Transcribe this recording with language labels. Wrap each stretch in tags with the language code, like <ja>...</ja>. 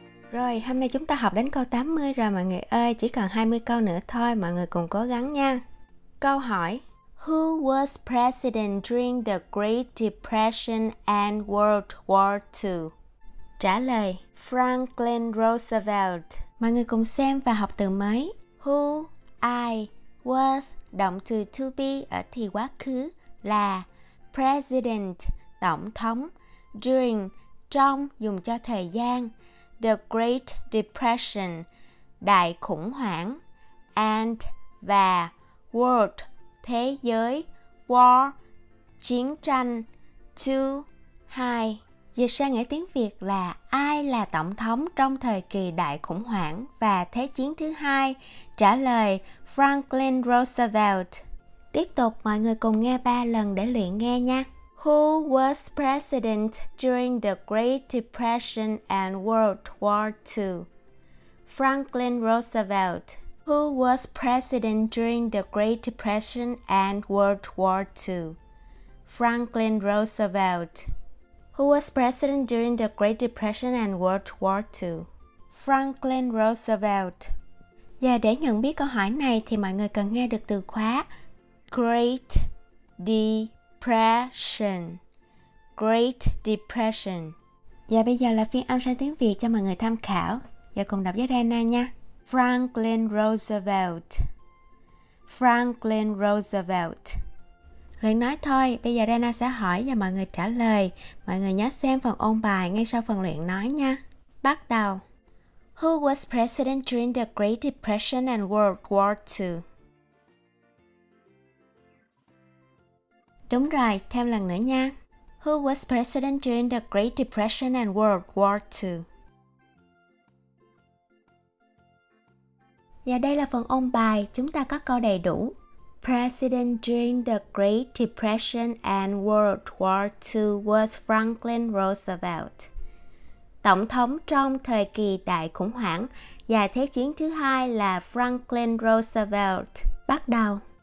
<vi>Rồi, hôm nay chúng ta học đến câu 80 rồi mọi người ơi, chỉ còn 20 câu nữa thôi, mọi người cùng cố gắng nha. Câu hỏi:</vi> <en>Who was president during the Great Depression and World War II?</en> <vi>Trả lời: Franklin Roosevelt. Mọi người cùng xem và học từ mới. Who, I, was, động từ to be ở thì quá khứ là president, tổng thống, during, trong, dùng cho thời gian, the Great Depression, đại khủng hoảng, and, và, world, thế giới, war, chiến tranh, to, hai. Dịch sang nghĩa tiếng Việt là ai là tổng thống trong thời kỳ đại khủng hoảng và thế chiến thứ hai? Trả lời: Franklin Roosevelt. Tiếp tục, mọi người cùng nghe 3 lần để luyện nghe nha.</vi> <en>Who was president during the Great Depression and World War II? Franklin Roosevelt. Who was president during the Great Depression and World War II? Franklin Roosevelt. Who was president during the Great Depression and World War II? Franklin Roosevelt.</en> <vi>Và để nhận biết câu hỏi này thì mọi người cần nghe được từ khóa Great Depression. Great Depression. Và bây giờ là phiên âm sang tiếng Việt cho mọi người tham khảo. Và cùng đọc với Rana nha. Franklin Roosevelt. Franklin Roosevelt. Luyện nói thôi, bây giờ Rana sẽ hỏi và mọi người trả lời. Mọi người nhớ xem phần ôn bài ngay sau phần luyện nói nha. Bắt đầu.</vi> <en>Who was president during the Great Depression and World War II?</en> <vi>Đúng rồi, thêm lần nữa nha.</vi> <en>Who was president during the Great Depression and World War II?</en> <vi>Và đây là phần ôn bài, chúng ta có câu đầy đủ.</vi> <en>President during the Great Depression and World War II was Franklin Roosevelt.</en> <vi>Tổng thống trong thời kỳ đại khủng hoảng và thế chiến thứ hai là Franklin Roosevelt. Bắt đầu.</vi>